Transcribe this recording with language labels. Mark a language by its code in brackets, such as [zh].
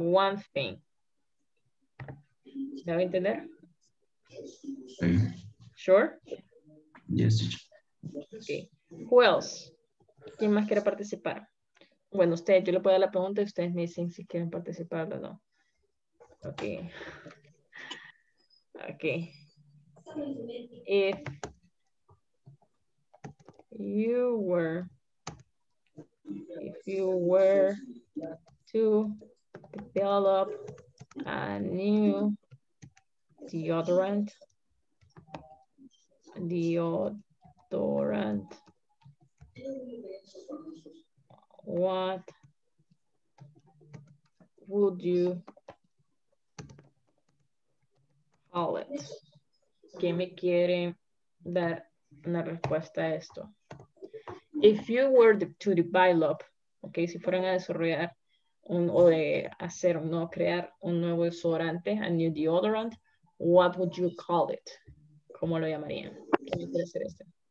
[en] One thing. [es] ¿Se va a entender? [en] ¿Sure? Yes. Okay. Who else? [es] ¿Quién más quiere participar? Bueno, ustedes, yo le puedo dar la pregunta y ustedes me dicen si quieren participar o no. Ok. Ok. [en] If you were, if you were to develop a new deodorant, deodorant, what would you call it? [es] ¿Qué me quiere dar una respuesta a esto? [en] If you were to develop, okay, [es] si fueran a desarrollar un, o de hacer o no crear un nuevo desodorante, [en] a new deodorant, what would you call it? [es] ¿Cómo lo llamarían? ¿Qué me quiere hacer este?